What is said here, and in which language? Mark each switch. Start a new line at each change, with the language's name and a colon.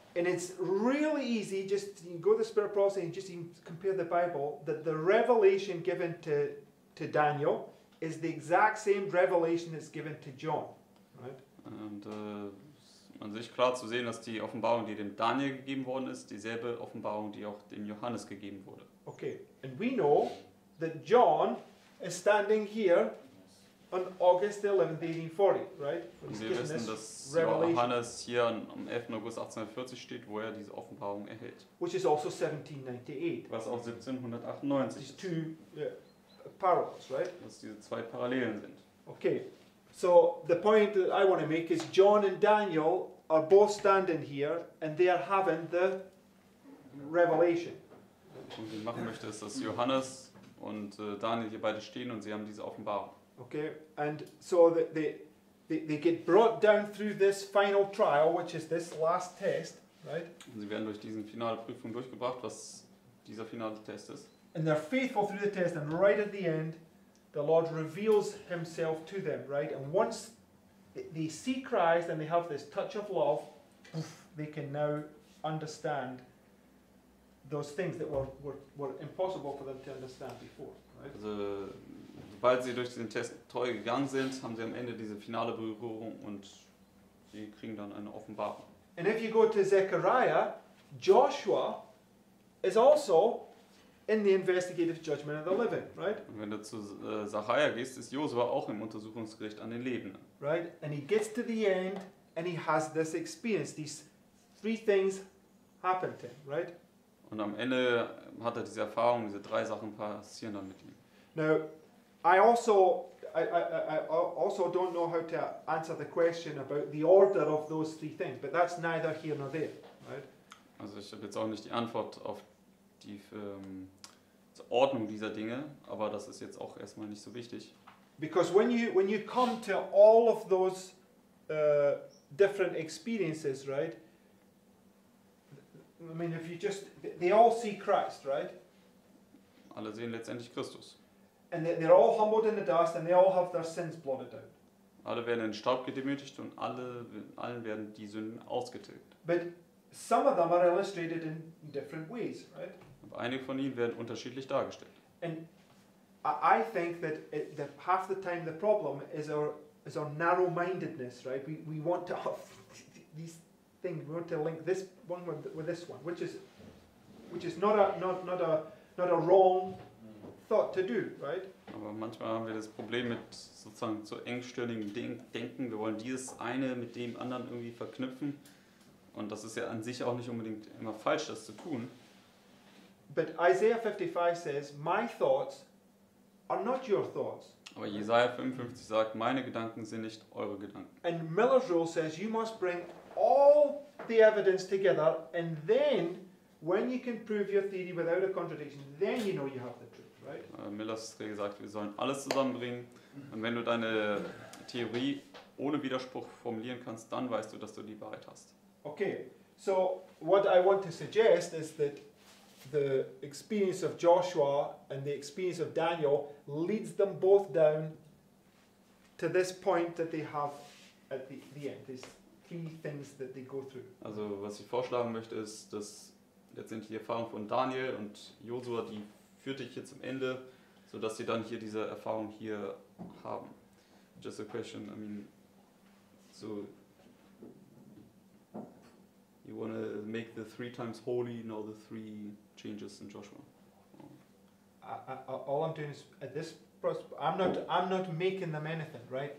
English: And it's really easy, just you go to the spirit process and just compare the Bible, that the revelation given to Daniel is the exact same revelation that's given to John, right?
German: Und man sich klar zu sehen, dass die Offenbarung, die dem Daniel gegeben worden ist, dieselbe Offenbarung, die auch dem Johannes gegeben wurde.
English: Okay, and we know that John is standing here on August 11, 1840, right?
German: Und wir wissen, dass Johannes hier am 11. August 1840 steht, wo er diese Offenbarung erhält.
English: Which is also 1798.
German: Was auch 1798 ist.
English: These 2 parallels, right?
German: Was diese 2 Parallelen sind.
English: Okay, so the point that I want to make is John and Daniel are both standing here and they are having the revelation.
German: Und was ich machen möchte, ist, dass Johannes und Daniel hier beide stehen und sie haben diese Offenbarung.
English: Okay, and so they get brought down through this final trial, which is this last test, right?
German: Und sie werden durch diese finale Prüfung durchgebracht, was dieser finale Test ist.
English: and they're faithful through the test, and right at the end, the Lord reveals himself to them, right? And once they see Christ and they have this touch of love, they can now understand those things that were impossible for them to understand before.
German: Also, sobald sie durch diesen Test treu gegangen sind, haben sie am Ende diese finale Berührung und sie kriegen dann eine Offenbarung.
English: And if you go to Zechariah, Joshua is also in the investigative judgment of the living, right?
German: Und wenn du zu Zechariah gehst, ist Joshua auch im Untersuchungsgericht an den Lebenden.
English: Right? And he gets to the end and he has this experience. These three things happen to him, right?
German: Und am Ende hat er diese Erfahrung, diese drei Sachen passieren dann mit ihm.
English: Now, I also don't know how to answer the question about the order of those three things, but that's neither here nor there, right?
German: Also ich habe jetzt auch nicht die Antwort auf die zur Ordnung dieser Dinge, aber das ist jetzt auch erstmal nicht so wichtig.
English: Because when you come to all of those different experiences, right? I mean, if you just, they all see Christ, right?
German: Alle sehen letztendlich Christus.
English: And they're all humbled in the dust and they all have their sins blotted out.
German: Alle werden in Staub gedemütigt und allen werden die Sünden ausgetilgt.
English: But some of them are illustrated in different ways, right?
German: Aber einige von ihnen werden unterschiedlich dargestellt.
English: And I think that half the time the problem is our narrow-mindedness, right? We want to have these thing. We want to link this one with this one, which is not a wrong thought to do, right?
German: Aber manchmal haben wir das Problem mit sozusagen so engstirnigem Denken. Wir wollen dieses eine mit dem anderen irgendwie verknüpfen, und das ist ja an sich auch nicht unbedingt immer falsch, das zu tun.
English: But Isaiah 55 says, "My thoughts are not your thoughts."
German: Aber Jesaja 55 sagt, meine Gedanken sind nicht eure Gedanken.
English: And Miller's rule says, you must bring all the evidence together, and then when you can prove your theory without a contradiction, then you know you have the truth, right?
German: Miller's Regel sagt, wir sollen alles zusammenbringen, und wenn du deine Theorie ohne Widerspruch formulieren kannst, dann weißt du, dass du die Wahrheit hast.
English: Okay, so what I want to suggest is that the experience of Joshua and the experience of Daniel leads them both down to this point that they have at the end. This things that they go through.
German: Also, was ich vorschlagen möchte, ist, dass letztendlich die Erfahrung von Daniel und Josua, die führt dich hier zum Ende, so dass sie dann hier diese Erfahrung hier haben.
English: Just a question. I mean, so you want to make the three times holy, now the three changes in Joshua. All I'm doing is at this. I'm not making them anything, right?